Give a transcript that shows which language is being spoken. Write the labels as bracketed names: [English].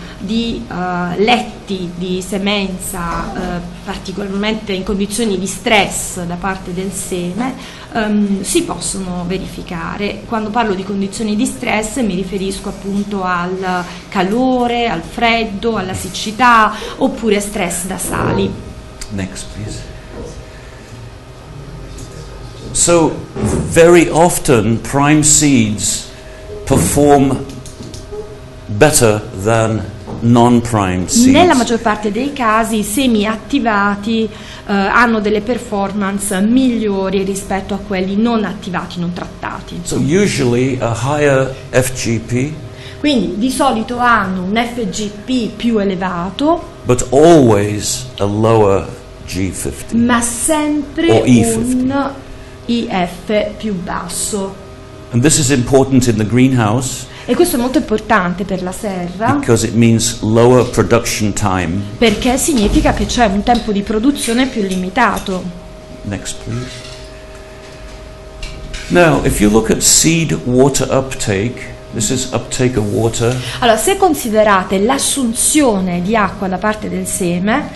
[Italian] di letti di semenza particolarmente in condizioni di stress da parte del seme si possono verificare. Quando parlo di condizioni di stress mi riferisco appunto al calore, al freddo, alla siccità oppure stress da sali. [English] Next, please. So very often prime seeds perform better than non-prime seeds. [Italian] Nella maggior parte dei casi i semi attivati hanno delle performance migliori rispetto a quelli non attivati, non trattati. [English] So usually a higher FGP. [Italian] Quindi di solito hanno un FGP più elevato. [English] But always a lower G50. [Italian] Ma sempre un IF più basso. [English] And this is important in the greenhouse. [Italian] E questo è molto importante per la serra. [English] Because it means lower production time. [Italian] Perché significa che c'è un tempo di produzione più limitato. [English] Next, please. Now, if you look at seed water uptake, this is uptake of water. [Italian] Allora, se considerate l'assunzione di acqua da parte del seme,